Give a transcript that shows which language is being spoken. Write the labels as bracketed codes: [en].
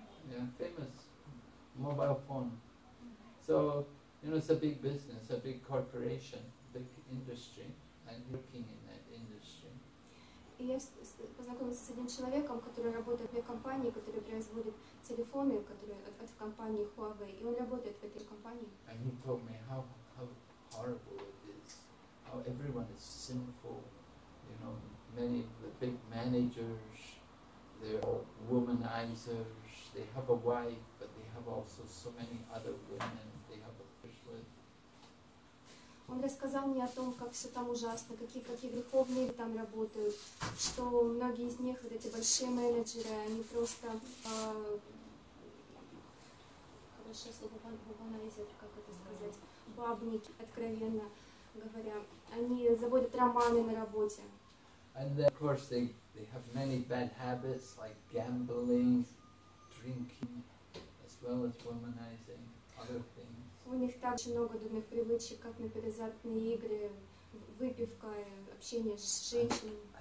[en] Yeah, famous. Mobile phone. So, you know, it's a big business, a big corporation, big industry, and working in that industry. [ru] И я познакомилась с одним человеком, который работает в компании, которая производит телефоны, которые от компании Huawei, и он работает в этой компании. [en] And he told me how horrible it is, how everyone is sinful, you know, many of the big managers, they're all womanizers, they have a wife, but they have also so many other women they have affairs with. [ru] Он рассказал мне о том, как все там ужасно, какие греховные там работают, что многие из них, вот эти большие менеджеры, они просто хорошее слово вуманайзер, как это сказать, бабники, откровенно говоря, они заводят романы на работе. [en] And then, of course, they have many bad habits, like gambling, drinking, as well as womanizing, other things. [ru] У них так много дурных привычек, как например, азартные игры, выпивка, общение с женщинами.